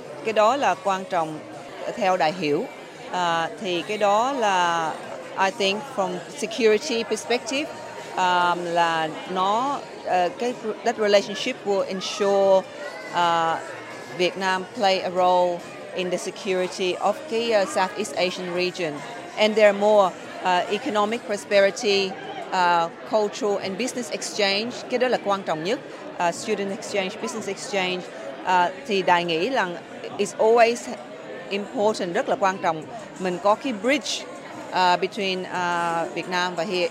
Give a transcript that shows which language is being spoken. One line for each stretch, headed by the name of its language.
Vietnamese: Cái đó là quan trọng theo đại hiểu. Thì cái đó là
English: I think from security perspective
Vietnamese: là nó
English: that relationship will ensure Việt Nam play a role in the security of the Southeast Asian region, and there are more economic prosperity, cultural and business exchange.
Vietnamese: Cái đó là quan trọng nhất,
English: student exchange, business exchange.
Vietnamese: Thì đài nghĩ là
English: it's always important,
Vietnamese: rất là quan trọng. Mình có cái bridge between Việt Nam và here.